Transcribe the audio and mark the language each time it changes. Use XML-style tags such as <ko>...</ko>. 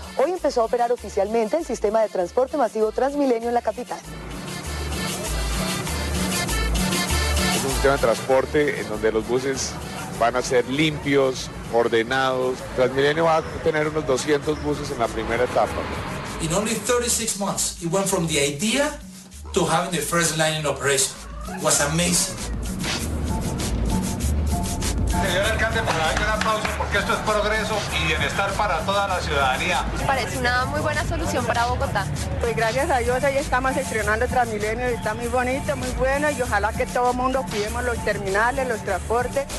<es>Hoy empezó a operar oficialmente el sistema de transporte masivo Transmilenio en la capital. Es un sistema de transporte en donde los buses van a ser limpios, ordenados. Transmilenio va a tener unos 200 buses en la primera etapa.</es> <en>In only 36 months, it went from the idea to having the first line in operation. It was amazing.</en> <es>Señor alcalde, para darle un aplauso porque esto es progreso y bienestar para toda la ciudadanía. Parece una muy buena solución para Bogotá. Pues gracias a Dios ahí estamos estrenando Transmilenio y está muy bonito, muy bueno y ojalá que todo mundo cuidemos los terminales, los transportes.</es>